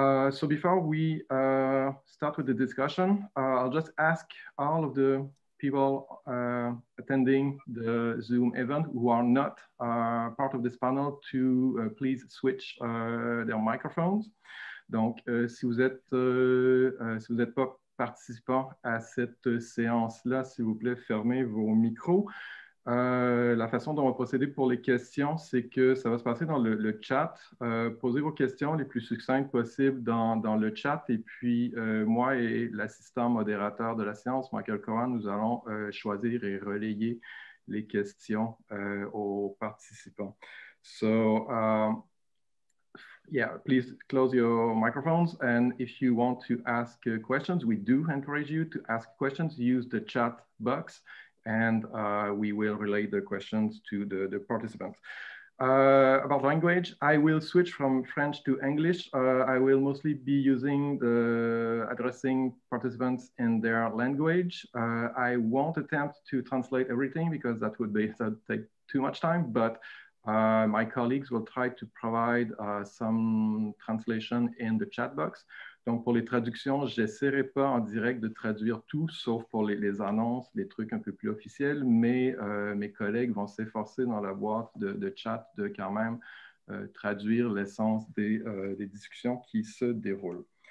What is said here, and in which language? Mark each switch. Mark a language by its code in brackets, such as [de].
[en] So before we start with the discussion, I'll just ask all of the people attending the Zoom event who are not part of this panel to please switch their microphones. [fr] Donc, si vous êtes pas participants à cette séance-là, s'il vous plaît, fermez vos micros. La façon dont on va procéder pour les questions, c'est que ça va se passer dans le chat. Posez vos questions les plus succinctes possibles dans le chat. Et puis, moi et l'assistant modérateur de la séance, Michael Cohen, nous allons choisir et relayer les questions aux participants. [en] So, yeah, please close your microphones. And if you want to ask questions, we do encourage you to ask questions. Use the chat box and we will relay the questions to the participants. About language, I will switch from French to English. I will mostly be addressing participants in their language. I won't attempt to translate everything because that'd take too much time, but my colleagues will try to provide some translation in the chat box. [fr] Donc, pour les traductions, j'essaierai pas en direct de traduire tout, sauf pour les annonces, les trucs un peu plus officiels, mais mes collègues vont s'efforcer dans la boîte de chat de quand même traduire l'essence des discussions qui se déroulent.